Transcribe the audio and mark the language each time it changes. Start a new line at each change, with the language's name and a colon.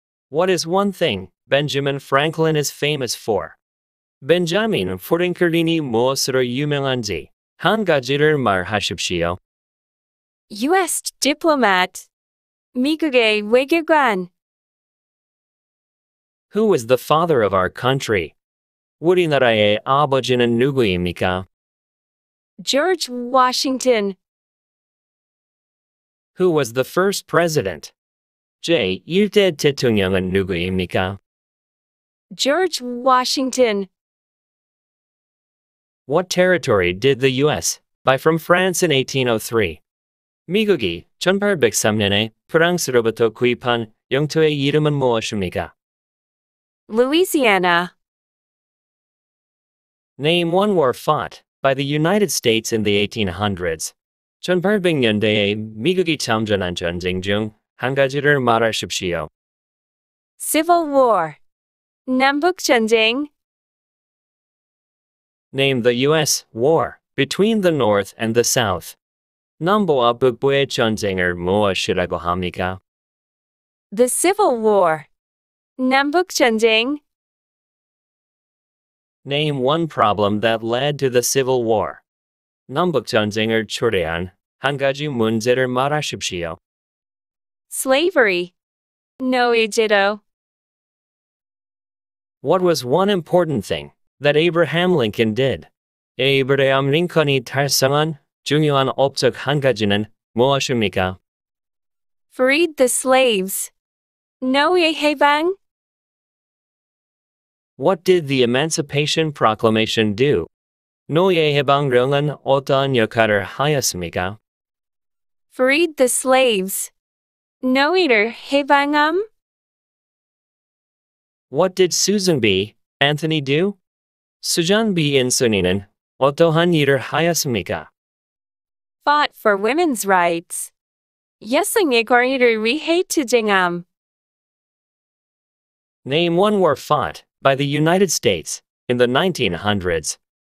English: What is one thing Benjamin Franklin is famous for?
Korean: 벤자민 프랭클린이 무엇으로 유명한지 한 가지를 말하십시오.
English: U.S. diplomat.
Korean: 미국의 외교관.
English: Who was the father of our country?
Korean: 우리나라의 아버지는 누구입니까?
English: George Washington. Who was the first president?
Korean: 제1대 대통령은 누구입니까?
English: George Washington. What territory did the U.S. buy from France in 1803?
Korean: 미국이 1803년에 프랑스로부터 구입한 영토의 이름은 무엇입니까?
English: Louisiana. Name one war fought by the United States in the 1800s.
Korean: 1800년대에 미국이 참전한 전쟁 중 한 가지를 말하십시오.
English: Civil War.
Korean: 남북전쟁.
English: Name the U.S. war between the North and the South.
Korean: 남부와 북부의 전쟁을 무엇이라고 합니까?
English: The Civil War.
Korean: 남북전쟁.
English: Name one problem that led to the Civil War.
Korean: 남북전쟁을 초래한 한 가지 문제를 말하십시오.
English: Slavery.
Korean: 노예제도.
English: What was one important thing that Abraham Lincoln did?
Korean: 에이브레함 링컨이 달성한 중요한 업적 한 가지는 무엇입니까?
English: Freed the slaves.
Korean: 노예해방.
English: What did the Emancipation Proclamation do?
Korean: 노예해방령은 어떤 역할을 하였습니까?
English: Freed the slaves.
Korean: 노예해방함.
English: What did Susan B. Anthony do? 수잔 B.
Korean: 앤서니는 어떠한 일을 하였습니까?
English: Fought for women's rights.
Korean: 여성의 권리를 위해 투쟁함.
English: Name one war fought by the United States in the 1900s.